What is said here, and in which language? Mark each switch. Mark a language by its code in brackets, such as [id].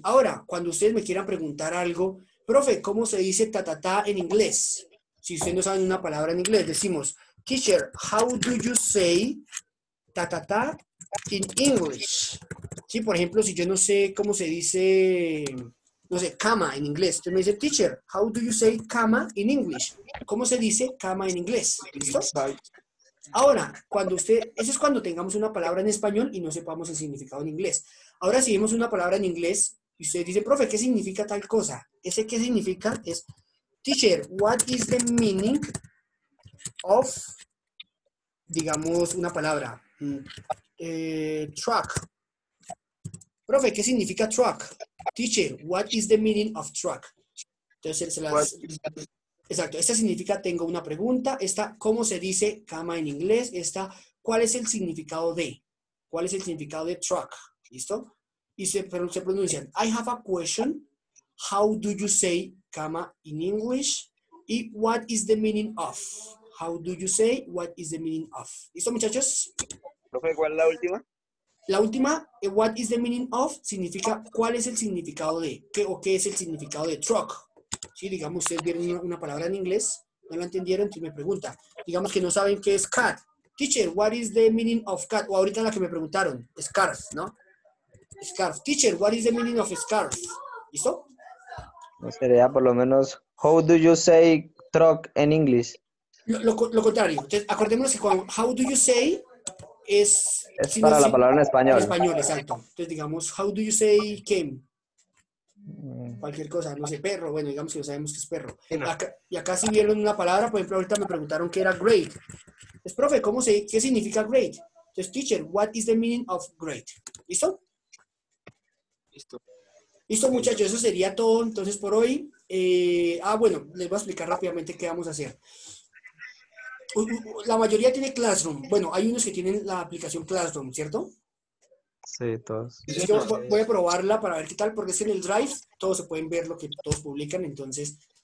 [es] Ahora, cuando ustedes me quieran preguntar algo, profe, ¿cómo se dice ta-ta-ta en inglés? Si ustedes no saben una palabra en inglés, decimos, [en] teacher, how do you say ta-ta-ta in English? [es] Sí, por ejemplo, si yo no sé cómo se dice, no sé, cama en inglés. Entonces me dice, [en] teacher, how do you say cama in English? [es] ¿Cómo se dice cama en inglés? ¿Listo? Ahora, eso es cuando tengamos una palabra en español y no sepamos el significado en inglés. Ahora, si vemos una palabra en inglés y usted dice, profe, ¿qué significa tal cosa? Ese qué significa es, [en] teacher, what is the meaning of, [es] digamos, una palabra, truck. Profe, ¿qué significa truck? [en] Teacher, what is the meaning of truck? [es] Entonces, exacto. Esta significa tengo una pregunta. Esta, ¿cómo se dice cama en inglés? Esta, ¿cuál es el significado de? ¿Cuál es el significado de truck? ¿Listo? Y se pronuncian, [en] I have a question, how do you say, comma, in English? Y what is the meaning of? How do you say, what is the meaning of? [es] ¿Listo, muchachos? Profe, ¿cuál es la última? La última, [en] what is the meaning of, [es] significa cuál es el significado de, qué o qué es el significado de truck. Sí, digamos, ustedes vieron una palabra en inglés, no la entendieron, entonces me pregunta. Digamos que no saben qué es cat. [en] Teacher, what is the meaning of cat? [es] O ahorita la que me preguntaron, scarf, ¿no? [en] Scarf. Teacher, what is the meaning of scarf? [es] ¿Listo? No sería por lo menos, [en] how do you say truck [es] en inglés? Lo contrario. Entonces, acordémonos que cuando, [en] how do you say... [es] Es para la palabra en español. En español, exacto. Entonces, digamos, [en] how do you say came? [es] Cualquier cosa, no sé, perro. Bueno, digamos que lo sabemos que es perro. Y acá si vieron una palabra, por ejemplo, ahorita me preguntaron qué era great. Entonces, profe, ¿cómo se qué significa great? [en] Entonces, teacher, what is the meaning of great? [es] ¿Listo? Listo. Listo, muchachos, eso sería todo. Entonces, por hoy, bueno, les voy a explicar rápidamente qué vamos a hacer. La mayoría tiene Classroom. Bueno, hay unos que tienen la aplicación Classroom, ¿cierto? Sí, todos. Entonces yo voy a probarla para ver qué tal, porque es en el Drive, todos se pueden ver lo que todos publican, entonces